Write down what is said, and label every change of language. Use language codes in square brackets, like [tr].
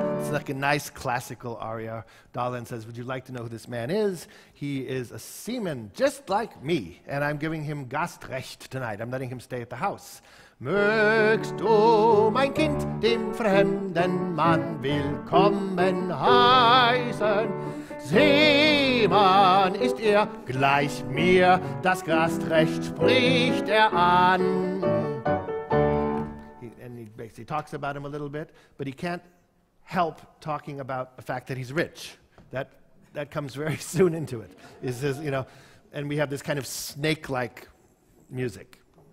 [en] Like a nice classical aria. Dalin says, would you like to know who this man is? He is a seaman just like me, and I'm giving him Gastrecht tonight. I'm letting him stay at the house. [de] Mögst du, mein Kind, dem fremden Mann willkommen heißen? Seemann ist gleich mir, das Gastrecht spricht an. [en] And he basically talks about him a little bit, but he can't help talking about the fact that he's rich. That comes very soon into it. It says, you know, and we have this kind of snake-like music.